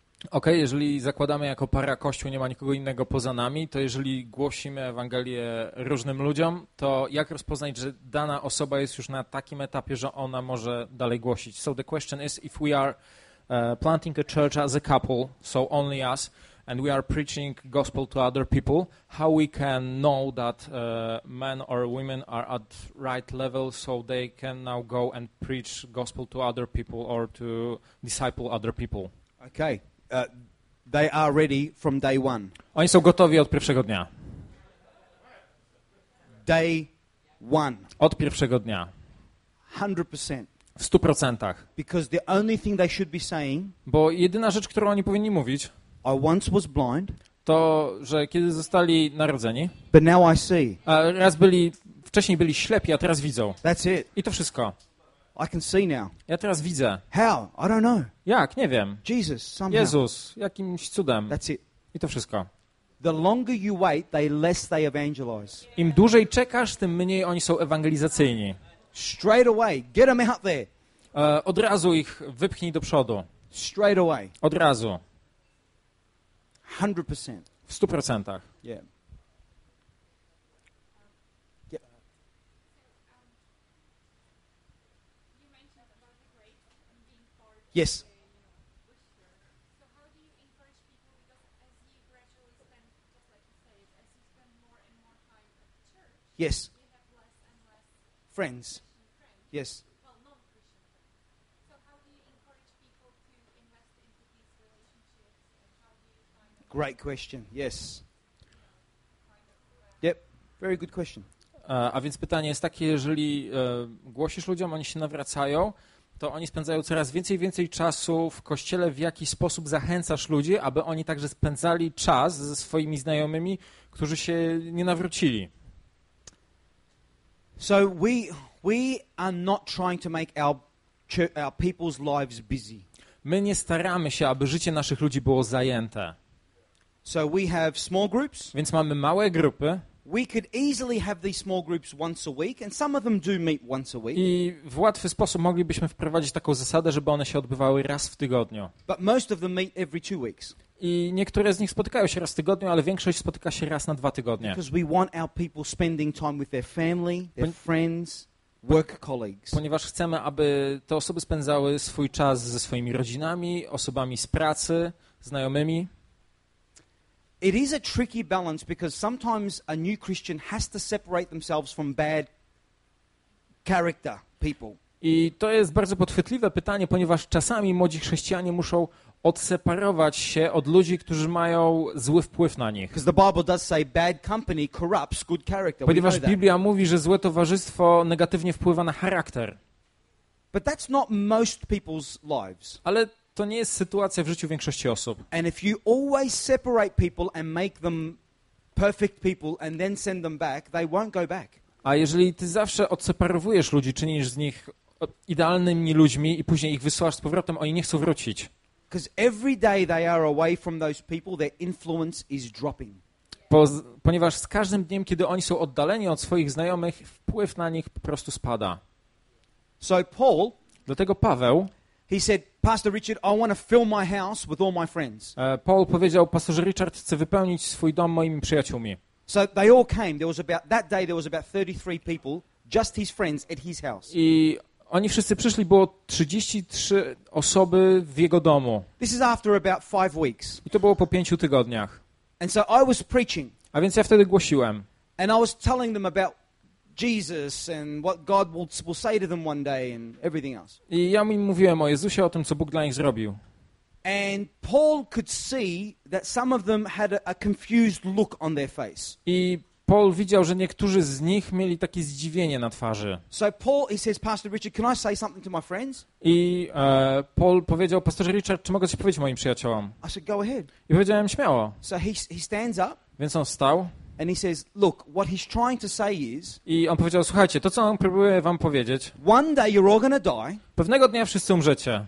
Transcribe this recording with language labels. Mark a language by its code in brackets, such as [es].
[pl] Okej, jeżeli zakładamy jako para kościół, nie ma nikogo innego poza nami, to jeżeli głosimy Ewangelię różnym ludziom, to jak rozpoznać, że dana osoba jest już na takim etapie, że ona może dalej głosić? [en] So the question is, if we are planting a church as a couple, so only us, and we are preaching gospel to other people, how we can know that men or women are at right level so they can now go and preach gospel to other people or to disciple other people? Okay. They are ready from day one. [pl] Oni są gotowi od pierwszego dnia. [en] Day one. [pl] Od pierwszego dnia. [en] 100%. [pl] W 100%. [en] Because the only thing they should be saying. [pl] Bo jedyna rzecz, którą oni powinni mówić. [en] I once was blind. [pl] To, że kiedy zostali narodzeni. [en] But now I see. [pl] Raz byli, wcześniej byli ślepi, a teraz widzą. [en] That's it. [pl] I to wszystko. [en] I can see now. [pl] Ja teraz widzę. [en] How? I don't know. [pl] Jak? Nie wiem. [en] Jesus, somehow. [pl] Jezus, jakimś cudem. [en] That's it. [pl] I to wszystko. [en] The longer you wait, the less they evangelize. [pl] Im dłużej czekasz, tym mniej oni są ewangelizacyjni. [en] Straight away, get them out there. [pl] Od razu ich wypchnij do przodu. [en] Straight away. [pl] Od razu. [en] 100%. [pl] W 100%. [en] Yeah. Yes. Yes. Friends. Yes. Great question. Yes. Yep. Very good question. [pl] A więc pytanie jest takie, jeżeli głosisz ludziom, oni się nawracają, to oni spędzają coraz więcej i więcej czasu w kościele, w jaki sposób zachęcasz ludzi, aby oni także spędzali czas ze swoimi znajomymi, którzy się nie nawrócili. [en] So we are not trying to make our people's lives busy. [pl] My nie staramy się, aby życie naszych ludzi było zajęte. [en] So we have small groups. [pl] Więc mamy małe grupy. [en] We could easily have these small groups once a week, and some of them do meet once a week. [pl] I w łatwy sposób moglibyśmy wprowadzić taką zasadę, żeby one się odbywały raz w tygodniu. [en] But most of them meet every 2 weeks. [pl] I niektóre z nich spotykają się raz w tygodniu, ale większość spotyka się raz na 2 tygodnie. [en] Because we want our people spending time with their family, their friends, work colleagues. [pl] Ponieważ chcemy, aby te osoby spędzały swój czas ze swoimi rodzinami, osobami z pracy, znajomymi. [en] It is a tricky balance because sometimes a new Christian has to separate themselves from bad character people. [pl] I to jest bardzo podchwytliwe pytanie, ponieważ czasami młodzi chrześcijanie muszą odseparować się od ludzi, którzy mają zły wpływ na nich. [en] Because the Bible does say bad company corrupts good character. [pl] Ponieważ Biblia mówi, że złe towarzystwo negatywnie wpływa na charakter. [en] But that's not most people's lives. [pl] Ale to nie jest sytuacja w życiu większości osób. [en] And if you always separate people and make them perfect people and then send them back, they won't go back. [pl] A jeżeli ty zawsze odseparowujesz ludzi, czynisz z nich idealnymi ludźmi i później ich wysyłasz z powrotem, oni nie chcą wrócić. [en] Because every day they are away from those people, their influence is dropping. [pl] Ponieważ z każdym dniem, kiedy oni są oddaleni od swoich znajomych, wpływ na nich po prostu spada. [en] So Paul, [pl] dlatego Paweł, [en] he said, Pastor Richard, I want to fill my house with all my friends. [pl] Paul powiedział, pastorze Richard, chcę wypełnić swój dom moimi przyjaciółmi. [en] So they all came. There was about that day there was about 33 people, just his friends at his house. [pl] I oni wszyscy przyszli, było 33 osoby w jego domu. [en] This is after about 5 weeks. [pl] I to było po 5 tygodniach. [en] And so I was preaching. [pl] A więc ja wtedy głosiłem. [en] And I was telling them about Jesus and what God will say to them one day and everything else. [pl] I ja im mówiłem o Jezusie, o tym, co Bóg dla nich zrobił. [en] And Paul could see that some of them had a confused look on their face. [pl] I Paul widział, że niektórzy z nich mieli takie zdziwienie na twarzy. [en] So Paul, he says, Pastor Richard, can I say something to my friends? [pl] I Paul powiedział, pastorze Richard, czy mogę coś powiedzieć moim przyjaciołom? [en] I said, go ahead. [pl] I powiedziałem śmiało. [en] So he stands up. [pl] Więc on stał. [en] And he says, look, what he's trying to say is. [pl] I on powiedział, słuchajcie, to co on próbuje wam powiedzieć. [en] One day you're all gonna die. [pl] Pewnego dnia wszyscy umrzecie.